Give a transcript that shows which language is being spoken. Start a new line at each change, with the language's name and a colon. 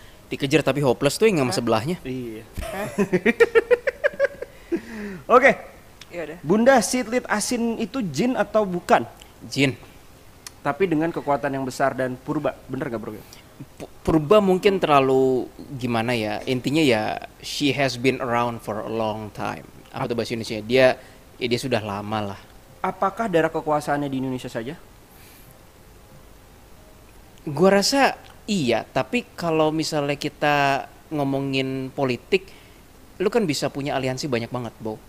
Indonesian: Dikejar tapi hopeless tuh yang sama sebelahnya. Iya. Oke. Iya deh. Bunda Sitlit Asin itu jin atau bukan? Jin. Tapi dengan kekuatan yang besar dan purba. Bener gak bro? Purba mungkin terlalu gimana ya. Intinya ya
English: she has been around for a long time.
Indonesian: Apa tuh bahasa Indonesia? Dia sudah lama lah. Apakah darah kekuasaannya di Indonesia saja? Gua rasa iya, tapi kalau misalnya kita ngomongin politik, lu kan bisa punya aliansi banyak banget, Bo.